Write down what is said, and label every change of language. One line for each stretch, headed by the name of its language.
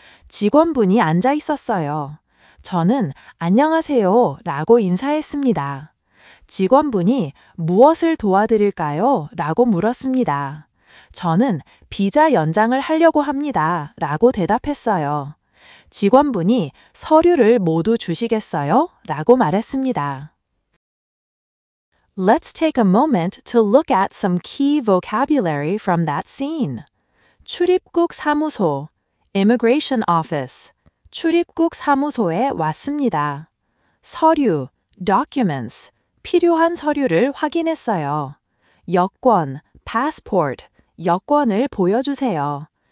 Korean: 직원분이 앉아 있었어요. 저는 안녕하세요 라고 인사했습니다. 직원분이 무엇을 도와드릴까요? 라고 물었습니다. 저는 비자 연장을 하려고 합니다. 라고 대답했어요. 직원분이 서류를 모두 주시겠어요? 라고 말했습니다.
English: Let's take a moment to look at some key vocabulary from that scene.
Korean: 출입국 사무소, Immigration Office, 출입국 사무소에 왔습니다. 서류, Documents, 필요한 서류를 확인했어요. 여권, Passport, 여권을 보여주세요.